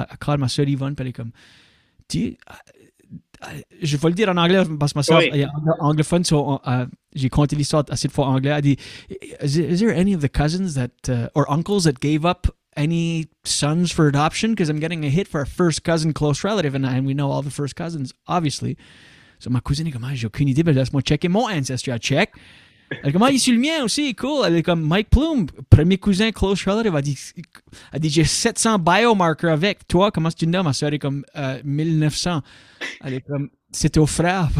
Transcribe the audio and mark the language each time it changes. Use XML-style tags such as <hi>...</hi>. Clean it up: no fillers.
<fr>So,</fr> <en>I called</en> <fr>ma soeur Yvonne, puis elle est comme, je vais le dire en anglais, parce que ma soeur est anglophone, so j'ai conté l'histoire assez de fois en anglais. Elle dit,</fr> <en>is there any of the cousins that, or uncles that gave up any sons for adoption? Because I'm getting a hit for a first cousin close relative, and we know all the first cousins, obviously.</en> <fr>So, ma cousine est comme, j'ai aucune idée, mais laisse-moi checker mon ancestry.</fr> <en>I check.</en> <fr>Elle est comme, il est le mien aussi, cool. Elle est comme, Mike Plume, premier cousin,</fr> <en>close relative.</en> <fr>Elle dit, j'ai 700 biomarkers avec toi. Comment est-ce que tu nommes? Ma soeur est comme 1900. Elle est comme, c'est ton frère.</fr>